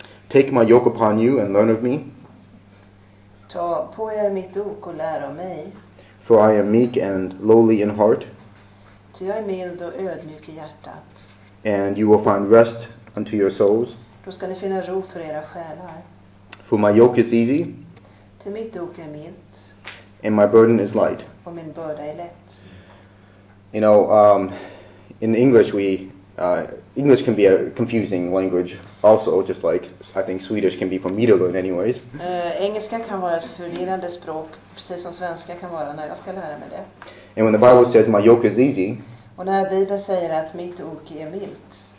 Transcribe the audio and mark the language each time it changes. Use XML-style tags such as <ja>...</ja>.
<en>Take my yoke upon you and learn of me.</en> <sv>Ta på er mitt ok och lär av mig.</sv> <en>For I am meek and lowly in heart.</en> <sv>Ty jag är mild och ödmjuk i hjärtat.</sv> <en>And you will find rest unto your souls.</en> <sv>Då ska ni finna ro för era själar.</sv> <en>For my yoke is easy.</en> <sv>Ty mitt ok är mild.</sv> <en>And my burden is light.</en> <sv>Och min börda är lätt.</sv> <en>You know, in English we English can be a confusing language also, just like I think Swedish can be for me to learn anyways.</en> <sv>Engelska kan vara ett förvirrande språk, precis som svenska kan vara när jag ska lära mig det.</sv> <en>And when the Bible says my yoke is easy.</en> <sv>Och när Bibeln säger att mitt ok är milt.</sv>